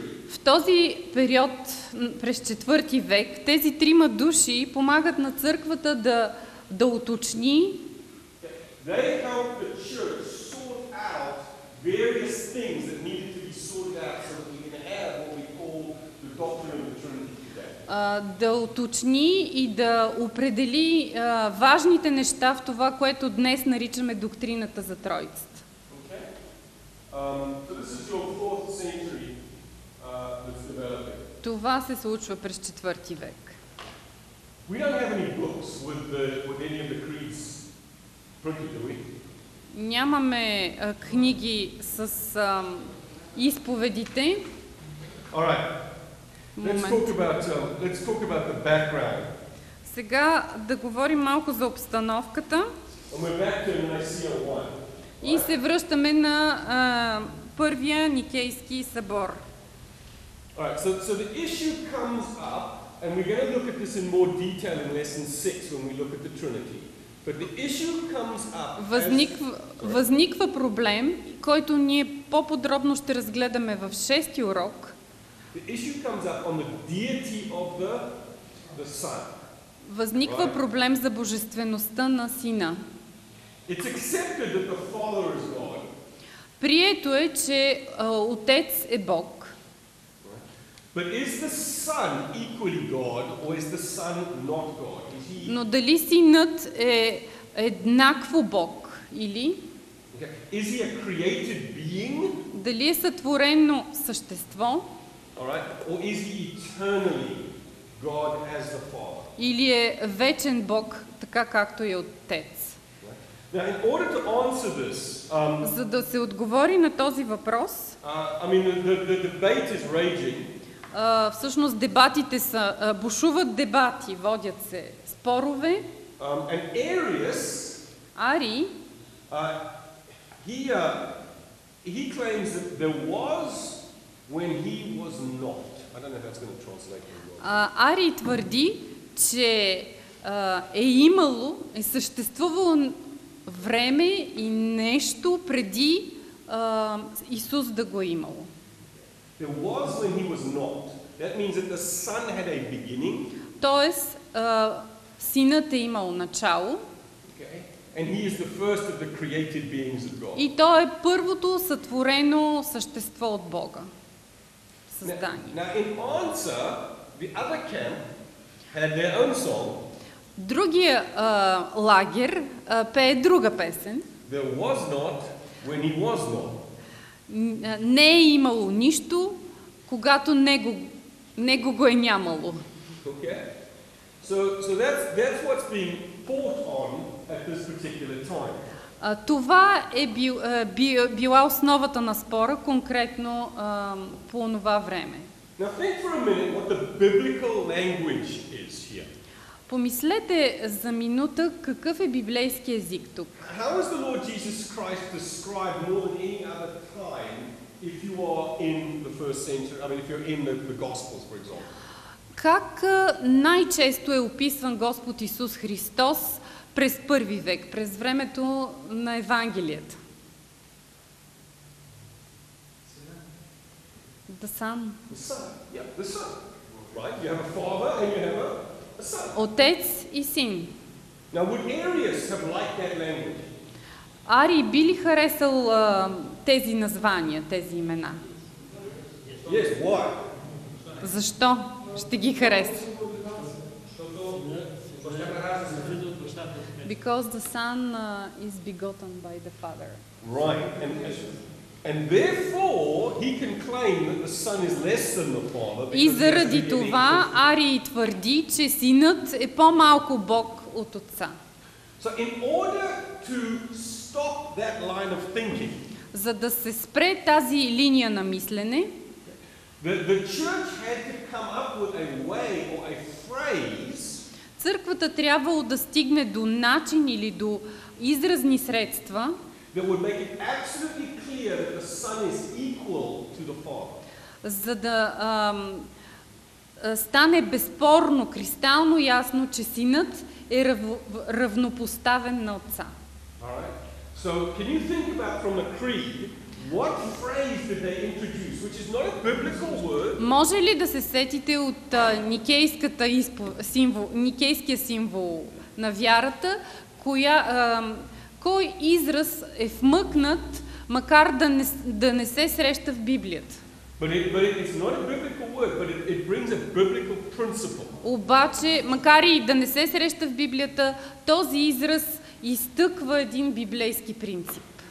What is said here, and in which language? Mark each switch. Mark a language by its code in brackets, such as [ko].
[bg] В този период през четвърти век, тези трима души помагат на църквата да уточни. [en] They help the church sort out various things that needed to be sorted out so that we can add what we call the doctrine of the Trinity today. [bg] Да уточни и да определи важните неща в това, което днес наричаме доктрината за Троицата. [en] Okay. So this is your fourth century that's developing. [bg] Това се случва през четвърти век. [en] We don't have any books with any of the creeds. [bg] Нямаме книги с изповедите. [en] All right. Let's talk about the background. [bg] Сега да говорим малко за обстановката. [en] And we're back to Nicaea 1. [bg] И се връщаме на първия Никейски събор. [en] All right. So the issue comes up and we're going to look at this in more detail in lesson 6 when we look at the Trinity. But the issue comes up. [bg] Възниква проблем, който ние по-подробно ще разгледаме в шести урок. [en] The issue comes up on the deity of the Son. [bg] Възниква проблем за божествеността на Сина. [en] It's accepted that the Father is God. [bg] Прието е, че Отец е Бог. [en] But is the Son equally God or is the Son not God? [bg] Но дали Синът е еднакво Бог или? [en] Okay. Is he a created being? [bg] Дали е сътворено същество? [en] All right. Or is he eternally God as the Father? [bg] Или е вечен Бог, така както е Отец? [en] Now, in order to answer this, [bg] за да се отговори на този въпрос, [en] the debate is raging. [bg] Всъщност дебатите са, бушуват дебати, водят се спорове. [en] And Arius, [bg] Ари, [en] he claims that there was when he was not. I don't know if that's going to translate. [bg] Ари твърди, че е имало, е съществувало време и нещо преди Исус да го е имало. [en] There was when he was not. That means that the Son had a beginning. [bg] Тоест, Синът е имал начало. [en] Okay. And he is the first of the created beings of God. [bg] И той е първото сътворено същество от Бога. Създание. [en] Now in answer, the other camp had their own song. [bg] Другия лагер пее друга песен. [en] There was not when he was not. [bg] Не е имало нищо, когато него го е нямало. [en] Okay. So that's what's being fought on at this particular time. [bg] Това е била основата на спора конкретно по онова време. [en] Now think for a minute what the biblical language is here. [bg] Помислете за минута какъв е библейски език тук. [en] How is the Lord Jesus Christ described more than any other time if you are in the first century, if you're in the Gospels, for example? [bg] Как най-често е описван Господ Исус Христос през първи век, през времето на Евангелията? [en] The Son. The Son. Right? You have a father and you have a son. [bg] Отец и син. [en] Now would Arius have liked that language? [bg] Ари би ли харесал тези названия, тези имена? [en] Yes, why? [bg] Защо? Ще ги хареса. [en] Because the Son is begotten by the Father. Right. And therefore he can claim that the Son is less than the Father. [bg] И заради това Ари твърди, че Синът е по-малко Бог от Отца. [en] So in order to stop that line of thinking. [bg] За да се спре тази линия на мислене, [en] the church had to come up with a way or a phrase. [bg] Църквата трябвало да стигне до начин или до изразни средства. [en] That would make it absolutely clear that the Son is equal to the Father. [bg] За да стане безспорно, кристално ясно, че Синът е равнопоставен на Отца. [en] All right. So can you think about from a creed What phrase did they introduce, which is not a biblical word? [bg] Може ли да се сетите от никейската символ, никейския символ на вярата, коя, кой израз е вмъкнат, макар да не, да не се среща в Библията? [en] But it's not a biblical word, but it brings a biblical principle. [bg] Обаче, макар и да не се среща в Библията, този израз изтъква един библейски принцип.